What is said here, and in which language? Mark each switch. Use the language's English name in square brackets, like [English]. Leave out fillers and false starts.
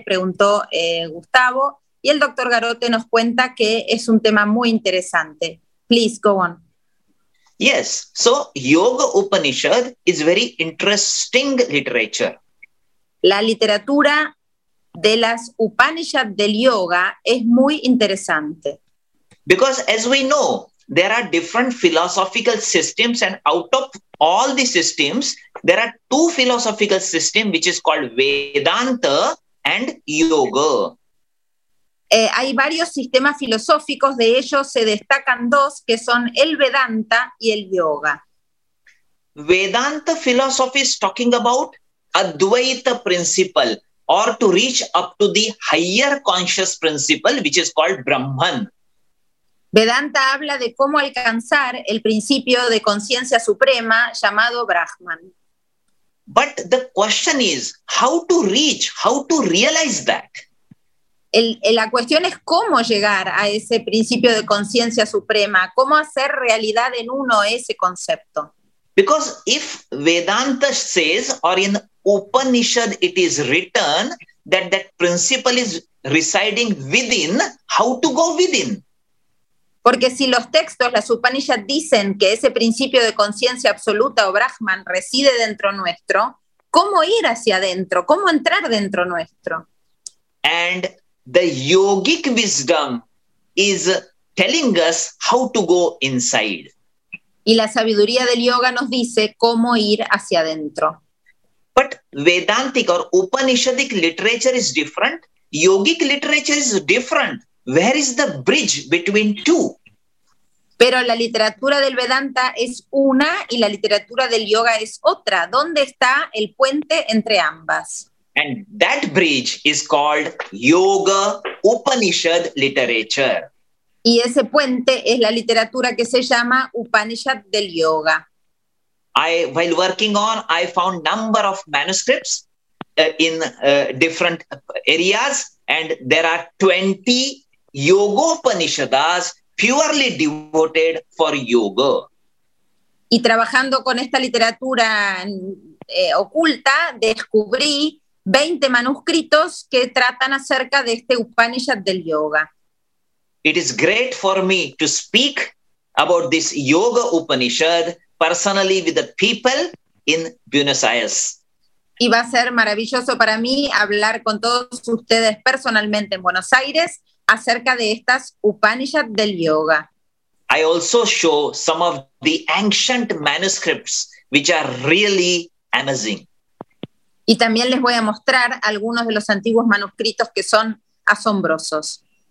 [Spanish] Preguntó Gustavo, y el doctor Garote nos cuenta que es un tema muy interesante. [English] Please, go on. Yes, so Yoga Upanishad is very interesting literature. [Spanish] La literatura de las Upanishad del Yoga es muy interesante. [English] Because as we know, there are different philosophical systems, and out of all the systems, there are two philosophical systems, which is called Vedanta and Yoga. [Spanish] Hay varios sistemas filosóficos, de ellos se destacan dos, que son el Vedanta y el Yoga. [English] Vedanta philosophy is talking about Advaita principle, or to reach up to the higher conscious principle, which is called Brahman. [Spanish] Vedanta habla de cómo alcanzar el principio de conciencia suprema llamado Brahman. [English] But the question is, how to reach, how to realize that? [Spanish] La cuestión es cómo llegar a ese principio de conciencia suprema, cómo hacer realidad en uno ese concepto. [English] Because if Vedanta says, or in Upanishad it is written, that principle is residing within, how to go within? [Spanish] Porque si los textos, las Upanishads, dicen que ese principio de conciencia absoluta o Brahman reside dentro nuestro, ¿cómo ir hacia adentro? ¿Cómo entrar dentro nuestro? [English] And the yogic wisdom is telling us how to go inside. [Spanish] Y la sabiduría del yoga nos dice cómo ir hacia adentro. [English] But Vedantic or Upanishadic literature is different. Yogic literature is different. Where is the bridge between two? [Spanish] Pero la literatura del Vedanta es una y la literatura del yoga es otra. ¿Dónde está el puente entre ambas? [English] And that bridge is called Yoga Upanishad literature. [Spanish] Y ese puente es la literatura que se llama Upanishad del Yoga. [English] While working on, I found number of manuscripts in different areas, and there are 20 Yoga Upanishads purely devoted for yoga. [Spanish] Y trabajando con esta literatura oculta, descubrí 20 manuscritos que tratan acerca de este Upanishad del Yoga. [English] it is great for me to speak about this Yoga Upanishad personally with the people in Buenos Aires. [Spanish] Y va a ser maravilloso para mí hablar con todos ustedes personalmente en Buenos Aires acerca de estas Upanishad del Yoga. [English] I also show some of the ancient manuscripts which are really amazing. [Spanish] Y también les voy a mostrar algunos de los antiguos manuscritos que son asombrosos.